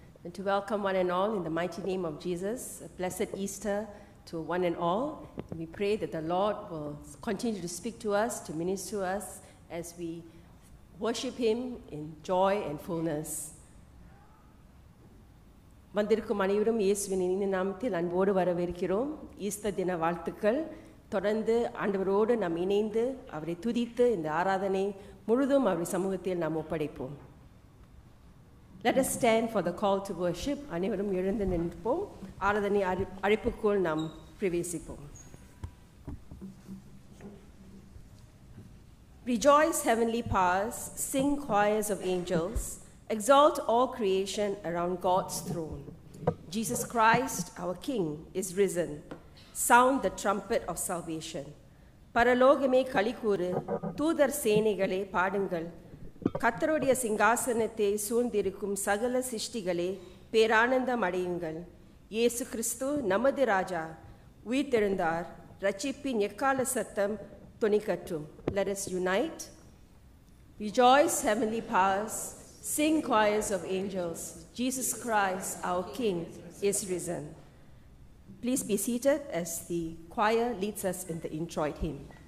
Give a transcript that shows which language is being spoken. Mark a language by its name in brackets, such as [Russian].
[English] And to welcome one and all in the mighty name of Jesus, a blessed Easter to one and all. And we pray that the Lord will continue to speak to us, to minister to us as we worship him in joy and fullness. [Tamil] வந்திருக்கும் அனைவரும் இயேசுவின் இனிய நாமத்தில் அன்போடு வரவேற்கிறோம். Easter தின வாழ்த்துக்கள். தொடர்ந்து ஆண்டவரோடு நாம் இணைந்து அவரை துதித்து இந்த ஆராதனை முழுதும் அவரை சமூகத்தில் நாம் ஒப்படைப்போம். [English] Let us stand for the call to worship. [Tamil] அனைவரும் எழுந்து நின்போம். ஆராதனை அழைப்புக்குள் நாம் பிரவேசிப்போம். [English] Rejoice, heavenly powers, sing choirs of angels. Exalt all creation around God's throne. Jesus Christ, our King, is risen. Sound the trumpet of salvation. [Tamil] பரலோகமே களிகூறு, தூதர் சேனைகளே பாடுங்கள். கர்த்தருடைய சிங்காசனத்தை சூழ்ந்திருக்கும் சகல சிருஷ்டிகளே பேரானந்தம் அடையுங்கள். இயேசு கிறிஸ்து நமது ராஜா உயிர்த்தெழுந்தார். இரட்சிப்பின் எக்கால சத்தம் துணிக்கட்டும். [English] Let us unite. Rejoice, heavenly powers. Sing choirs of angels. Jesus Christ, our King, is risen. Please be seated as the choir leads us in the introit hymn.